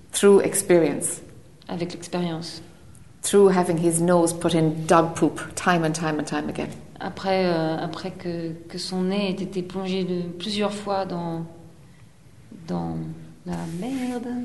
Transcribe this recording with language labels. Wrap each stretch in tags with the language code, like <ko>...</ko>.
<en>Through experience.</en> <fr>Avec l'expérience.</fr> <en>through having his nose put in dog poop time and time and time again.</en> <fr>Après, après que son nez ait été plongé de plusieurs fois dans dans la merde.</fr>